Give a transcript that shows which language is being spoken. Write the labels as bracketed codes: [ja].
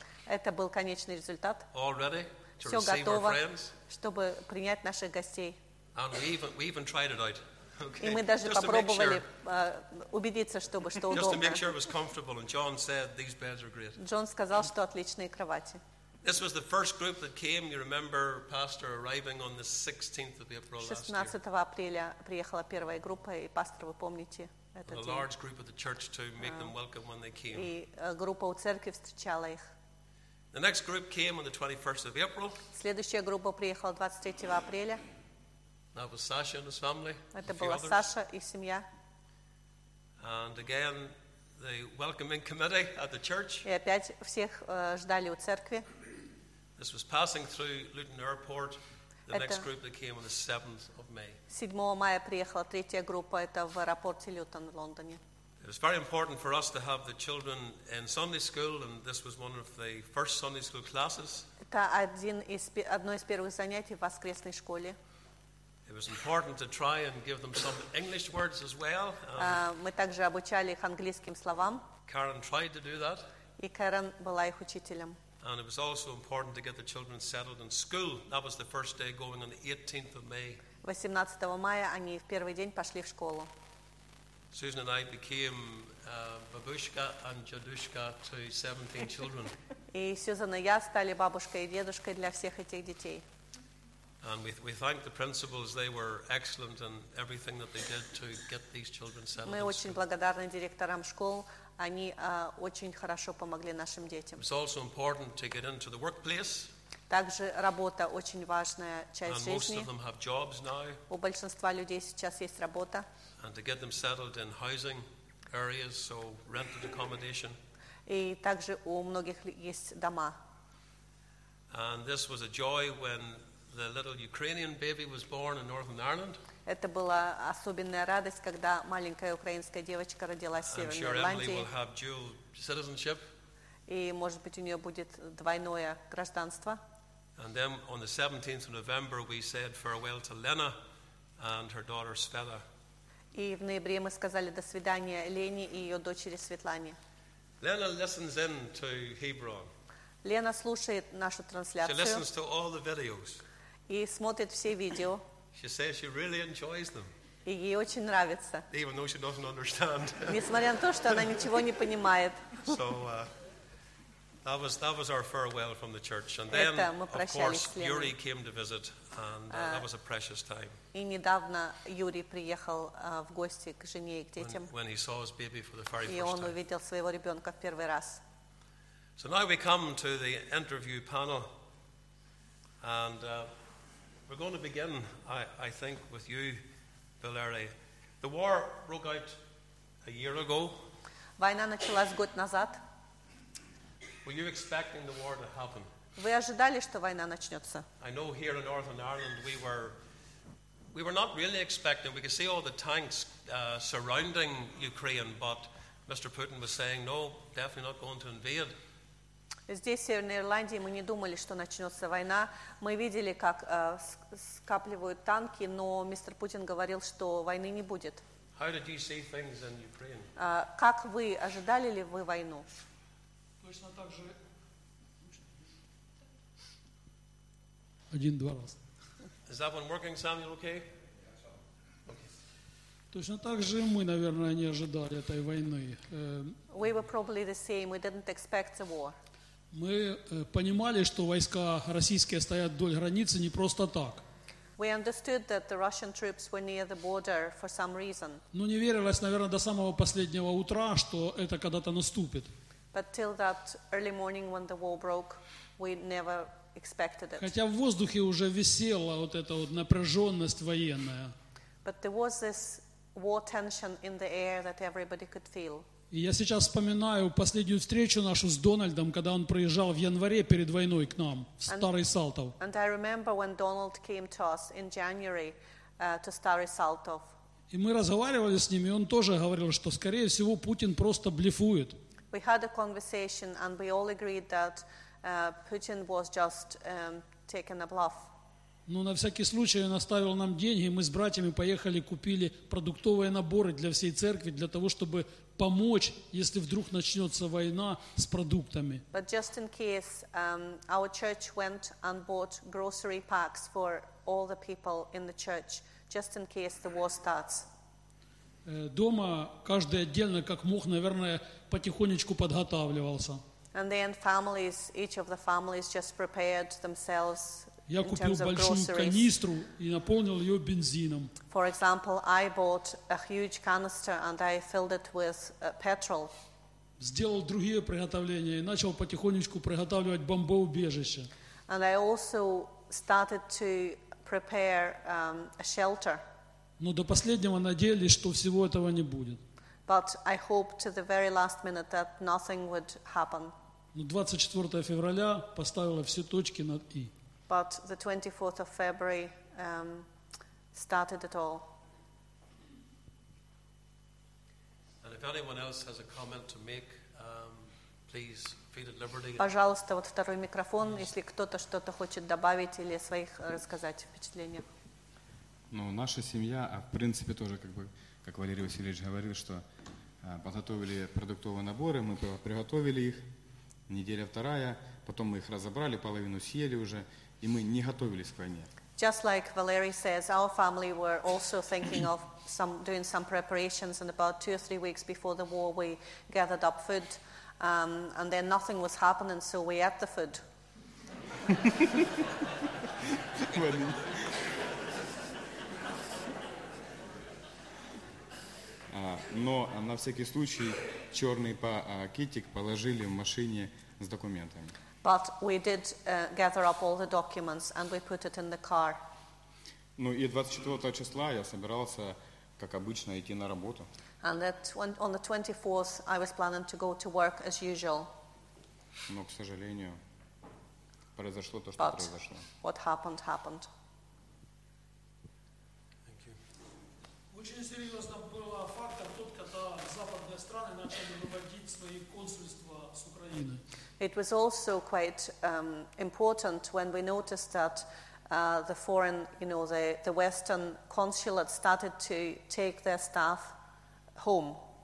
[ru] Это был конечный результат. [en] All ready to [ru] Все готово, [en] our friends. [ru] Чтобы принять наших гостей. [en] And we even tried it out. Okay. [ru] И мы даже [en] Just [ru] попробовали [en] sure. [ru] Убедиться, чтобы что удобно. [en] To make sure it was comfortable. And John said these beds are great. [ru] Джон сказал, что отличные кровати. [en] This was the first group that came, you remember, Pastor, arriving on the 16th of April last year. [ru] 16 апреля приехала первая группа, и пастор, вы помните этот день. [en] A large group of the church to make them welcome when they came. [ru] И группа у церкви встречала их. [en] The next group came on the 21st of April. [ru] Следующая группа приехала 23 апреля. [en] That was Sasha and his family. [ru] Это была Саша и семья. [en] And again, the welcoming committee at the church. [ru] И опять всех ждали у церкви. [en] This was passing through Luton Airport. The [ru] Это [en] next group that came on the 7th of May. [ru] 7 мая приехала третья группа. Это в аэропорте Лютон, Лондоне. [en] It was very important for us to have the children in Sunday school, and this was one of the first Sunday school classes. [ru] Это одно из первых занятий в воскресной школе. [en] It was important to try and give them some English words as well. [ru] Мы также обучали их английским словам. [en] Karen tried to do that. [ru] И Карен была их учителем. [en] And it was also important to get the children settled in school. That was the first day going on the 18th of May. [ru] 18 мая они в первый день пошли в школу. [en] Susan and I became babushka and dedushka to 17 children. [ru] И Сюзан и я стали бабушкой и дедушкой для всех этих детей. [en] And we thank the principals. They were excellent in everything that they did to get these children settled. [ru] Мы очень благодарны директорам школ. Они очень хорошо помогли нашим детям. [en] It's also important to get into the workplace. [ru] Также работа очень важная часть [en] And [ru] жизни. [en] And most of them have jobs now. [ru] У большинства людей сейчас есть работа. [en] And to get them settled in housing areas, so rented accommodation. [ru] И также у многих есть дома. [en] And this was a joy when the little Ukrainian baby was born in Northern Ireland. [ru] Это была особенная радость, когда маленькая украинская девочка родилась в Северной Ирландии. [en] I'm sure Emily will have dual citizenship. [ru] И, может быть, у нее будет двойное гражданство. [en] And then on the 17th of November we said farewell to Lena and her daughter Svetla. [ru] И в ноябре мы сказали до свидания Лене и ее дочери Светлане. [en] Lena listens in to Hebron. [ru] Лена слушает нашу трансляцию. [en] She listens to all the videos. [ru] И смотрит все видео. [en] She says she really enjoys them. [ru] И ей очень нравится. [en] Even though she doesn't understand. [ru] Несмотря на то, что она ничего не понимает. [en] So that was our farewell from the church, and then of course Yuri came to visit, and that was a precious time. [ru] И недавно Юрий приехал в гости к жене и к детям. [en] When he saw his baby for the very first time. [ru] И он увидел своего ребенка в первый раз. [en] So now we come to the interview panel, and. We're going to begin, I think, with you, Valeri. The war broke out a year ago. [ru] Война началась год назад. [en] Were you expecting the war to happen? [ru] Вы ожидали, что война начнется? [en] I know here in Northern Ireland we were not really expecting. We could see all the tanks surrounding Ukraine, but Mr. Putin was saying, no, definitely not going to invade. [ru] Здесь, в Северной Ирландии, мы не думали, что начнется война. Мы видели, как скапливают танки, но мистер Путин говорил, что войны не будет. [en] How did you see things in Ukraine? [ru] Как вы, ожидали ли вы войну? Точно так же. Один-два раз. [en] Is that one working, Samuel, okay? [ru] Точно так же мы, наверное, не ожидали этой войны. [en] We were probably the same. We didn't expect the war. [ru] Мы понимали, что войска российские стоят вдоль границы не просто так. [en] We understood that the Russian troops were near the border for some reason. [ru] Но не верилось, наверное, до самого последнего утра, что это когда-то наступит. [en] But till that early morning when the war broke, we never expected it. [ru] Хотя в воздухе уже висела вот эта вот напряженность военная. [en] But there was this war tension in the air that everybody could feel. [ru] И я сейчас вспоминаю последнюю встречу нашу с Дональдом, когда он приезжал в январе перед войной к нам в Старый Салтов. [en] And I remember when Donald came to us in January to Stary Saltov. [ru] И мы разговаривали с ним, и он тоже говорил, что скорее всего Путин просто блефует. [en] We had a conversation and we all agreed that Putin was just taking a bluff. [ru] Ну, на всякий случай он оставил нам деньги, и мы с братьями поехали, купили продуктовые наборы для всей церкви, для того, чтобы помочь, если вдруг начнется война с продуктами. [en] But just in case, our church went and bought grocery packs for all the people in the church, just in case the war starts. [ru] Дома каждый отдельно, как мог, наверное, потихонечку подготавливался. [en] And then families, each of the families just prepared themselves. [ru] Я купил большую канистру и наполнил ее бензином. [en] For example, I bought a huge canister and I filled it with petrol. [ru] Сделал другие приготовления и начал потихонечку приготавливать бомбоубежище. [en] And I also started to prepare a shelter. [ru] Но до последнего надеялись, что всего этого не будет. [en] But I hoped to the very last minute that nothing would happen. [ru] Но 24 февраля поставила все точки над «и». [en] But the 24th of February started it all. And if anyone else has a comment to make, please feel at liberty. [ru] Пожалуйста, вот второй микрофон, если кто-то что-то хочет добавить или своих рассказать впечатления. Ну, наша семья, а в принципе тоже, как бы, как Валерий Васильевич говорил, что подготовили продуктовые наборы, мы приготовили их, неделя вторая, потом мы их разобрали, половину съели уже. И мы не готовились к войне. [en] Just like Valery says, our family were also thinking of some doing some preparations, and about two or three weeks before the war, we gathered up food, and then nothing was happening, so we ate the food. [ru] Но на всякий случай черный китик положили в машине с документами. [en] But we did gather up all the documents and we put it in the car. [ru] Ну и 24 числа я собирался, как обычно, идти на работу. [en] And that on the 24th I was planning to go to work as usual. [ru] Но, к сожалению, произошло то, что произошло. [en] But what happened, happened. Thank you. [ru] Очень серьезно был фактор тот, когда западные страны начали выводить свои консульства с Украины. [en] It was also quite important when we noticed that the foreign, you know, the Western consulate started to take their staff home.